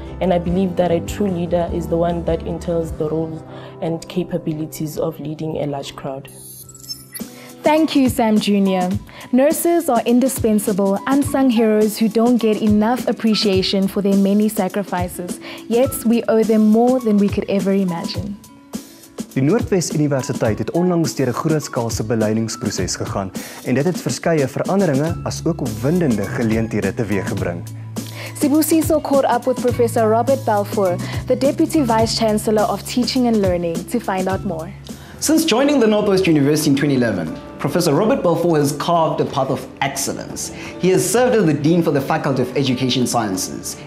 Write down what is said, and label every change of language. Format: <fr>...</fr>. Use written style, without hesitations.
<en>And I believe that a true leader is the one that entails the role and capabilities of leading a large crowd. Thank you, Sam Junior. Nurses are indispensable, unsung heroes who don't get enough appreciation for their many sacrifices. Yet, we owe them more than we could ever imagine.</en> <af>Die Noordwes-universiteit het onlangs deur 'n grootskaalse beleidingsproses gegaan en dit het verskeie veranderinge as ook opwindende geleenthede teweeggebring.</af> <en>Sibu Siso caught up with Professor Robert Balfour, the Deputy Vice-Chancellor of Teaching and Learning, to find out more. Since joining the Noordwes University in 2011, Professor Robert Balfour has carved a path of excellence. He has served as the Dean for the Faculty of Education Sciences.</en>